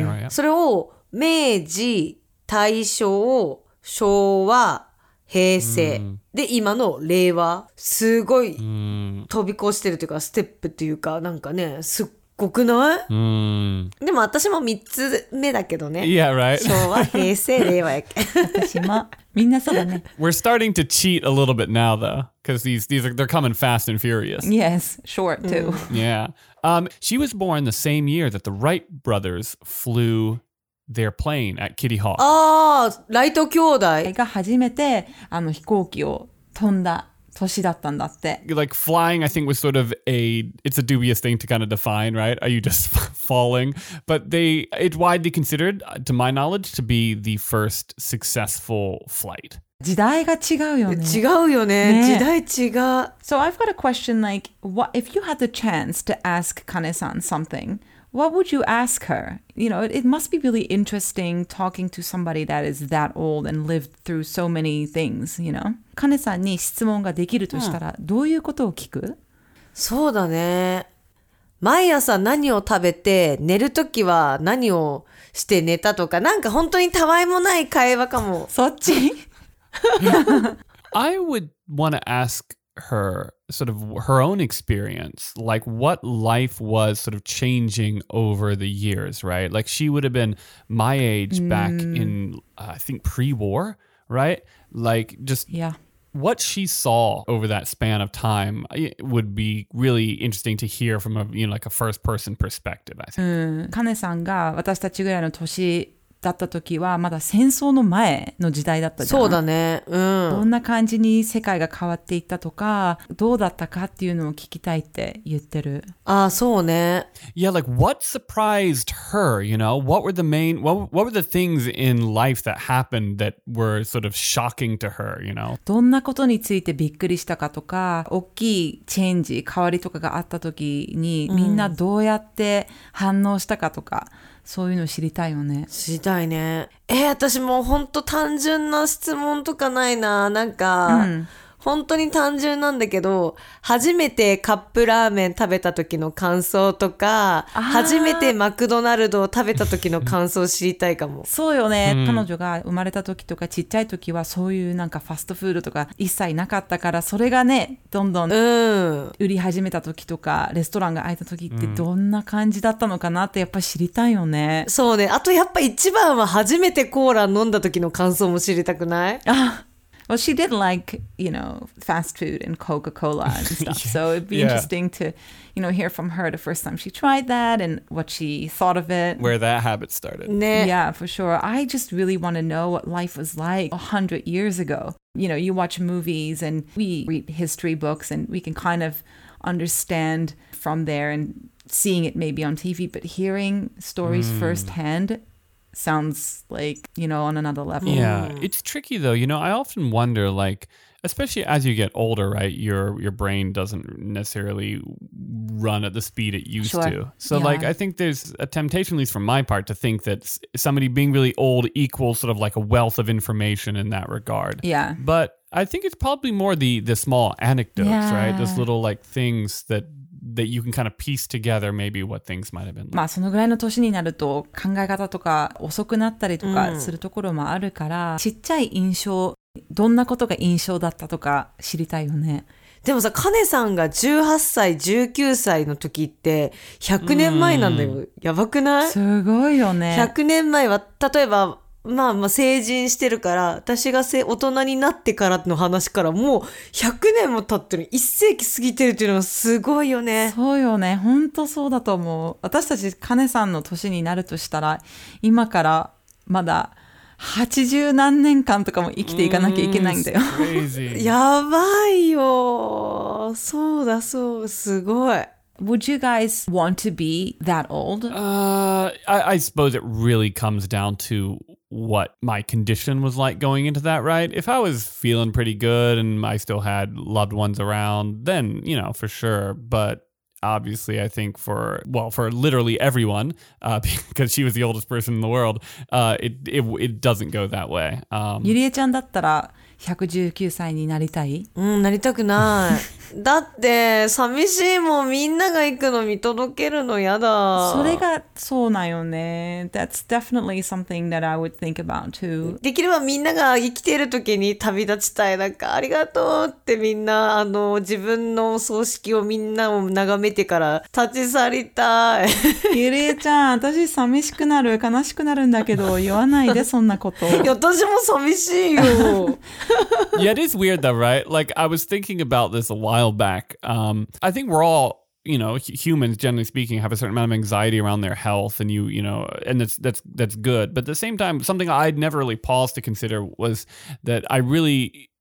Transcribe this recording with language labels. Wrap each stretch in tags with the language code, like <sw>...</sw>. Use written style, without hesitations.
<ja>それを、明治、大正、昭和、平成。で、今の令和、すごい飛び越してるというか、ステップっていうか、なんかね、すっごくない？でも私も3つ目だけどね。</ja> <en>Yeah, right.</en> <ja>昭和、平成、令和やけ。私も。みんなそうだね。</ja> <en>We're starting to cheat a little bit now, though. Because these are, they're coming fast and furious. Yes, short, too. Yeah. She was born the same year that the Wright brothers flew their plane at Kitty Hawk.</en> <ja>ああ、ライト兄弟が初めてあの飛行機を飛んだ年だったんだって。</ja> <en>Like flying, I think was sort of a, it's a dubious thing to kind of define, right? Are you just falling? But it's widely considered, to my knowledge, to be the first successful flight.</en> <ja>時代が違うよね。違うよね。ね。時代違う。</ja> <en>So I've got a question, like, what if you had the chance to ask Kane-san something, what would you ask her? You know, it must be really interesting talking to somebody that is that old and lived through so many things, you know?</en> <ja>Kane-san に質問ができるとしたら、どういうことを聞く？そうだね。毎朝何を食べて、寝るときは何をして寝たとか、なんか本当にたわいもない会話かも。そっち？</ja> <en>I would want to ask her sort of her own experience, like what life was sort of changing over the years, right? Like she would have been my age back in, I think, pre-war, right? Like just yeah. what she saw over that span of time would be really interesting to hear from a, you know, like a first person perspective, I think.</en> <ja>Kane-san ga watashitachi gurai no toshi... だった時はまだ戦争の前の時代だったじゃん。そうだね、うん、どんな感じに世界が変わっていったとかどうだったかっていうのを聞きたいって言ってる。あ、そうね。</ja> <en>Yeah, like what surprised her, you know? What were the main what were the things in life that happened that were sort of shocking to her, you know?</en> <ja>どんなことについてびっくりしたかとか大きいチェンジ変わりとかがあった時にみんなどうやって反応したかとか、うん、そういうの知りたいよね。知りたいね。私もう本当単純な質問とかないな。なんか、本当に単純なんだけど、初めてカップラーメン食べた時の感想とか、初めてマクドナルドを食べた時の感想を知りたいかも。そうよね。彼女が生まれた時とかちっちゃい時はそういうなんかファストフードとか一切なかったから、それがね、どんどん売り始めた時とか、レストランが開いた時ってどんな感じだったのかなってやっぱ知りたいよね。そうね。あとやっぱ一番は初めてコーラ飲んだ時の感想も知りたくない？</ja> <en>Well, she did like, you know, fast food and Coca-Cola and stuff. So it'd be interesting to, you know, hear from her the first time she tried that and what she thought of it. Where that habit started. Nah. Yeah, for sure. I just really want to know what life was like 100 years ago. You know, you watch movies and we read history books and we can kind of understand from there and seeing it maybe on TV, but hearing stories firsthand... sounds like, you know, on another level. Yeah, it's tricky though. You know, I often wonder, like, especially as you get older, right, your brain doesn't necessarily run at the speed it used to. So, yeah. like, I think there's a temptation, at least from my part, to think that somebody being really old equals sort of like a wealth of information in that regard. Yeah. But I think it's probably more the small anecdotes, right? Those little, like, things that... that you can kind of piece together maybe what things might have been like.</en> <ja>まあそのぐらいの年になると考え方とか遅くなったりとかするところもあるから、ちっちゃい印象、どんなことが印象だったとか知りたいよね。でもさ、カネさんが18歳、19歳の時って100年前なんだよ。やばくない？すごいよね。 100年前は、例えば、まあまあ成人してるから、私が大人になってからの話からもう100年も経ってる、1世紀過ぎてるっていうのはすごいよね。そうよね、ほんとそうだと思う。私たちカネさんの年になるとしたら、今からまだ80何年間とかも生きていかなきゃいけないんだよ。やばいよ。そうだそう、すごい。</ja> <en>Would you guys want to be that old? I suppose it really comes down to what my condition was like going into that, right? If I was feeling pretty good and I still had loved ones around, then, you know, for sure. But obviously, I think for literally everyone, because she was the oldest person in the world, it doesn't go that way.</en> <ja>Yurie-chan だったら119歳になりたい？うん、なりたくない。だって寂しいもん、みんなが行くの見届けるのやだ。それがそうなよね。</ja> <en>That's definitely something that I would think about too.</en> <ja>できればみんなが生きている時に旅立ちたい。なんかありがとうってみんな、あの、自分の葬式をみんなを眺めてから立ち去りたい。ゆりえちゃん、私寂しくなる、悲しくなるんだけど、言わないでそんなこと。いや、私も寂しいよ。</ja> <en>Yeah, it is weird though, right? Like, I was thinking about this a while back. I think we're all, you know, humans, generally speaking, have a certain amount of anxiety around their health and you know, and that's good. But at the same time, something I'd never really paused to consider was that I really...</en>